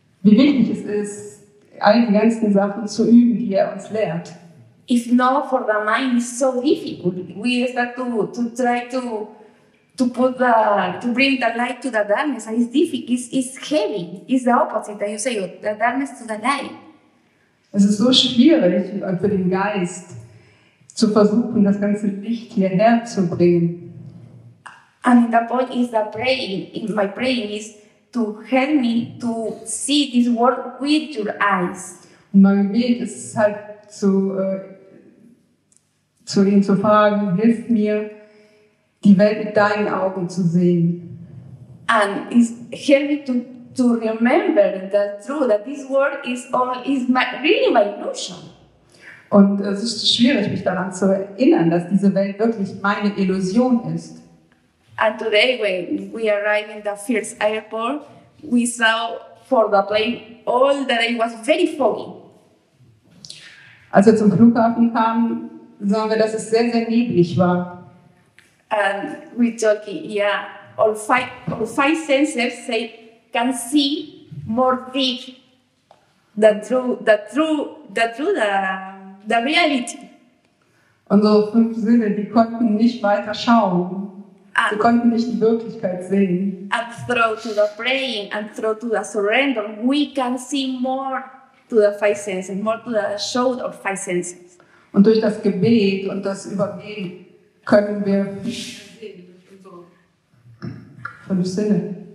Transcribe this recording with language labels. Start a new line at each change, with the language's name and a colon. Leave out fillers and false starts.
German: Wie wichtig es ist, all die ganzen Sachen zu üben, die er uns lehrt.
English: If not, for the mind is so difficult. We start to try to put the to bring the light to the darkness, and it's difficult. It's heavy. It's the opposite that you say, the darkness to the light.
German: Es ist so schwierig für den Geist zu versuchen, das ganze Licht hierher zu bringen.
English: And the point is the praying. In my praying is to help me to see this world with your eyes.
German: Mein Gebet ist halt zu ihm zu fragen, hilf mir, die Welt mit deinen Augen zu sehen.
English: And it's helping to remember the truth that this world is really my illusion.
German: Und es ist schwierig, mich daran zu erinnern, dass diese Welt wirklich meine Illusion ist.
English: And today, when we arrived in the first airport, we saw for the plane all that it was very foggy.
German: Als wir zum Flughafen kamen, sahen wir, dass es sehr, sehr neblig war.
English: And we talking, yeah, all five senses say can see more deep the reality.
German: Unsere 5 Sinne, die konnten nicht weiter schauen. Sie konnten nicht die Wirklichkeit sehen.
English: And through to the praying and through to the surrender, we can see more. To the 5 senses, more to the show of 5 senses.
German: Und durch das Gebet und das Übergeben können wir sehen durch unsere 5 Sinne.